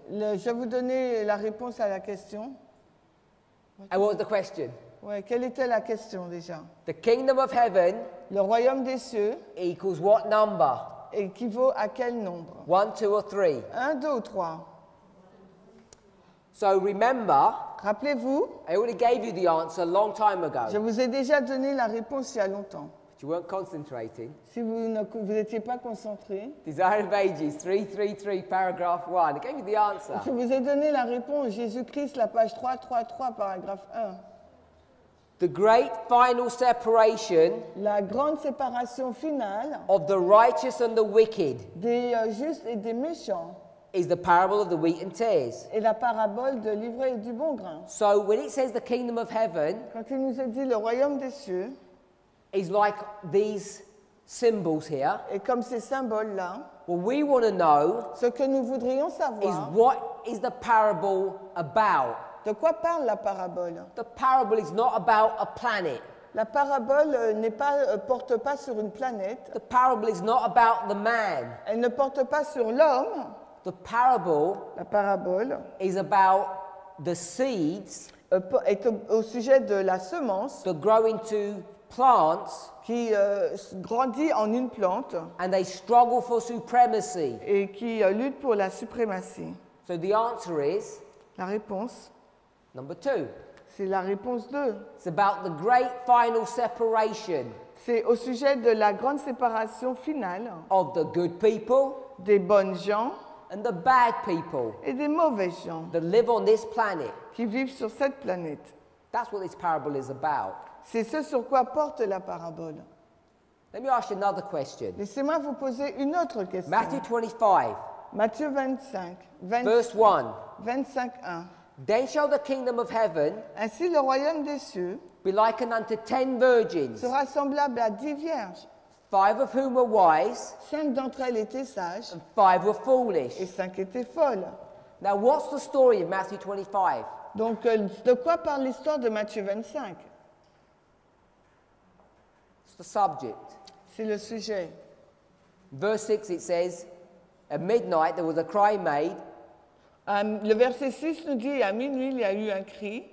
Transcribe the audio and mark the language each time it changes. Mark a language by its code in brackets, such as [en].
[fr] Je vais vous donner la réponse à la question. [en] And what was the question? [fr] Ouais, quelle était la question déjà? [en] The kingdom of heaven. [fr] Le royaume des cieux. [en] Equals what number? [fr] Équivaut à quel nombre? [en] 1, 2, or 3. 1, 2, or 3. So remember. [fr] Rappelez-vous. [en] I already gave you the answer a long time ago. [fr] Je vous ai déjà donné la réponse il y a longtemps. [en] But you weren't concentrating. [fr] Si vous n'étiez pas concentré. [en] Desire of Ages, 333, paragraph 1. I gave you the answer. [fr] Je vous ai donné la réponse. Jésus-Christ, la page 333, paragraphe 1. [en] The great final separation. [fr] La grande séparation finale. [en] Of the righteous and the wicked. [fr] Des justes et des méchants. [en] Is the parable of the wheat and tares. [fr] Et la parabole de l'ivraie et du bon grain. [en] So when it says the kingdom of heaven, [fr] quand il nous a dit le royaume des cieux, [en] is like these symbols here. [fr] Et comme ces symboles là, [en] what we want to know, [fr] ce que nous voudrions savoir, [en] is what is the parable about. [fr] De quoi parle la parabole? [en] The parable is not about a planet. [fr] La parabole n'est pas porte pas sur une planète. [en] The parable is not about the man. [fr] Elle ne porte pas sur l'homme. [en] The parable, [fr] la parabole, [en] is about the seeds, [fr] est au sujet de la semence, [en] that grow into plants, [fr] qui grandit en une plante, [en] and they struggle for supremacy, [fr] et qui lutte pour la suprématie. [en] So the answer is, [fr] la réponse, [en] number two, [fr] c'est la réponse 2. [en] It's about the great final separation, [fr] c'est au sujet de la grande séparation finale, [en] of the good people, [fr] des bonnes gens. [en] And the bad people, [fr] et des mauvais gens, [en] that live on this planet, [fr] qui vivent sur cette planète. [en] That's what this parable is about. [fr] C'est ce sur quoi porte la parabole. [en] Let me ask you another question. [fr] Laissez-moi vous poser une autre question. [en] Matthew 25. [fr] Matthieu 25. [en] Verse 1. [fr] 25:1. [en] Then shall the kingdom of heaven, [fr] ainsi le royaume des cieux, [en] be likened unto 10 virgins, [fr] sera semblable à 10 vierges. [en] 5 of whom were wise, [fr] 5 d'entre elles étaient sages, [en] and 5 were foolish, [fr] et 5 étaient folles. [en] Now what's the story of Matthew 25? [fr] Donc de quoi parle l'histoire de Matthieu 25? [en] It's the subject. [fr] C'est le sujet. [en] Verse 6 it says, at midnight there was a cry made. [fr] Le verset 6 nous dit à minuit il y a eu un cri.